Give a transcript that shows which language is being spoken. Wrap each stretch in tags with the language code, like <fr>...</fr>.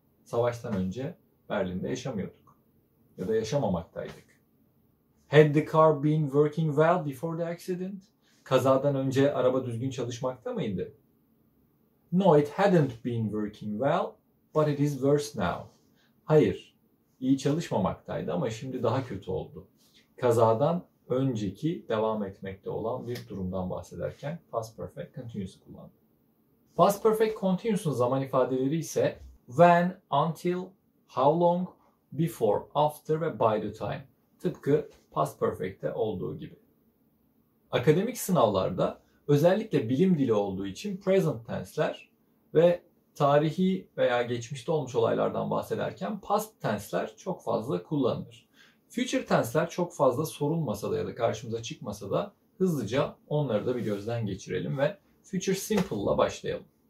<tr>Savaştan önce Berlin'de yaşamıyorduk. Ya da yaşamamaktaydık.</tr> <en>Had the car been working well before the accident?</en> <tr>Kazadan önce araba düzgün çalışmakta mıydı?</tr> <en>No, it hadn't been working well, but it is worse now.</en> <tr>Hayır. İyi çalışmamaktaydı ama şimdi daha kötü oldu. Kazadan önceki devam etmekte olan bir durumdan bahsederken past perfect continuous'u kullandım. Past perfect continuous'un zaman ifadeleri ise when, until, how long, before, after ve by the time. Tıpkı past perfect'te olduğu gibi. Akademik sınavlarda özellikle bilim dili olduğu için present tense'ler ve tarihi veya geçmişte olmuş olaylardan bahsederken past tense'ler çok fazla kullanılır. Future tense'ler çok fazla sorulmasa da ya da karşımıza çıkmasa da hızlıca onları da bir gözden geçirelim ve future simple'la başlayalım.</tr>